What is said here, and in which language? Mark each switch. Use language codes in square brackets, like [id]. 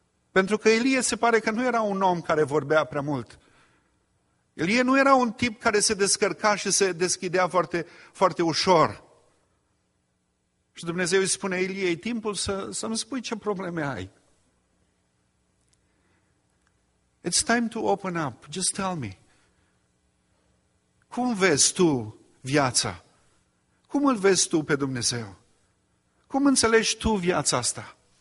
[ro] Pentru că Ilie se pare că nu era un om care vorbea prea mult. Ilie nu era un tip care se descărca și se deschidea foarte, foarte ușor. Și Dumnezeu îi spune, Ilie, e timpul să-mi spui ce probleme ai. [en] It's time to open up, just tell me. [ro] Cum vezi tu viața? Cum îl vezi tu pe Dumnezeu? Cum înțelegi tu viața asta?